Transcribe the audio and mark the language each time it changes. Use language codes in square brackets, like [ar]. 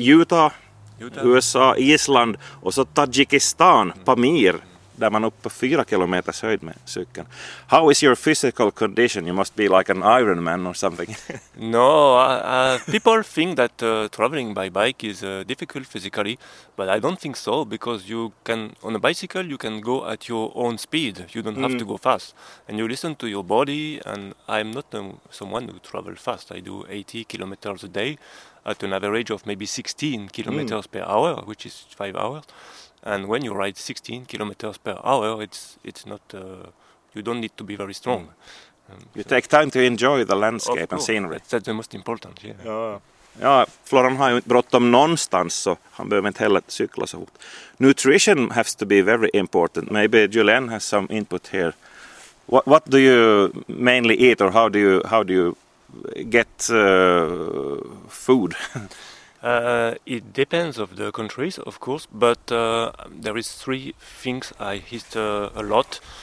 [sv] Utah, USA, Island och så Tajikistan, Pamir. där man är uppe på 4 kilometers höjd med cykeln. [en] How is your physical condition? You must be like an Iron Man or something. No, people think that traveling by bike is difficult physically, but I don't think so, because you can, on a bicycle, you can go at your own speed. You don't have to go fast. And you listen to your body, and I'm not someone who travels fast. I do 80 kilometers a day at an average of maybe 16 kilometers per hour, which is 5 hours. And when you ride 16 kilometers per hour, it's not you don't need to be very strong. You take time to enjoy the landscape and scenery. That's the most important, yeah. [sv] Ja, Florian har ju inte bråttom någonstans, så han behöver inte heller cykla så fort. [en] Nutrition has to be very important. Maybe Julien has some input here. What do you mainly eat, or how do you get food? It depends of the countries, of course, but there is 3 things I eat a lot.